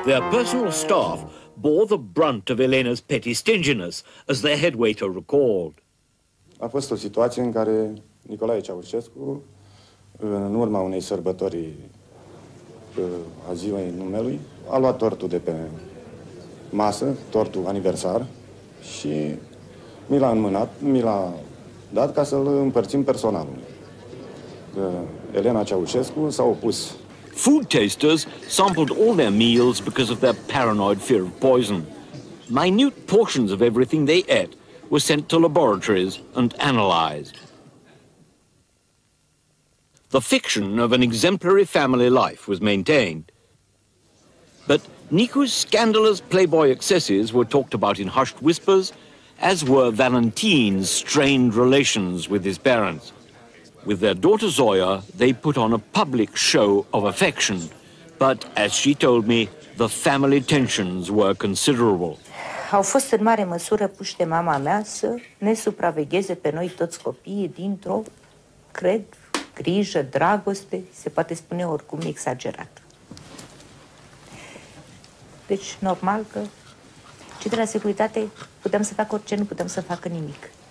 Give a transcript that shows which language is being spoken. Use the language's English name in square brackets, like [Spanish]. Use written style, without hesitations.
[English] Personal staff bore the brunt of Elena's petty stinginess, as their head waiter recalled. [Romanian] A fost o situație în care Nicolae Ceaușescu, în urma unei sărbători a ziua numelui, a luat tortul de pe masă, tortul aniversar, și mi l-a înmânat, mi l-a dat ca să-l împărțim personalului. Elena Ceaușescu s-a opus. [English] Food tasters sampled all their meals because of their paranoid fear of poison. Minute portions of everything they ate were sent to laboratories and analyzed. The fiction of an exemplary family life was maintained. But Nico's scandalous playboy excesses were talked about in hushed whispers, as were Valentin's strained relations with his parents. With their daughter Zoya, they put on a public show of affection. But, as she told me, the family tensions were considerable. [Romanian] Au fost în mare măsură puși de mama mea să ne supravegheze pe noi toți copiii dintr-o, cred, grijă, dragoste, se poate spune oricum exagerat. Deci, normal că ce de la securitate puteam să fac orice, nu puteam să facă nimic.